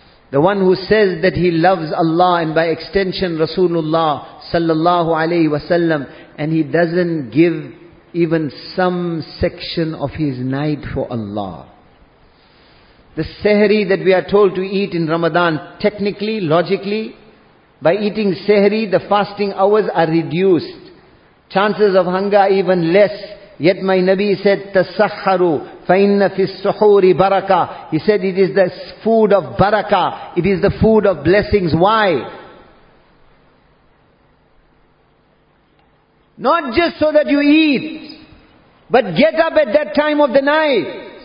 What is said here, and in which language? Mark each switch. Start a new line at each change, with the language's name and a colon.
English: The one who says that he loves Allah and by extension Rasulullah sallallahu alayhi wa sallam, and he doesn't give even some section of his night for Allah. The sehri that we are told to eat in Ramadan, technically, logically, by eating sehri, the fasting hours are reduced. Chances of hunger are even less. Yet my Nabi said,
Arabic: تَسَحَّرُوا فَإِنَّ فِي السُّحُورِ بَرَكَةٌ.
English: He said, it is the food of barakah. It is the food of blessings. Why? Not just so that you eat, but get up at that time of the night.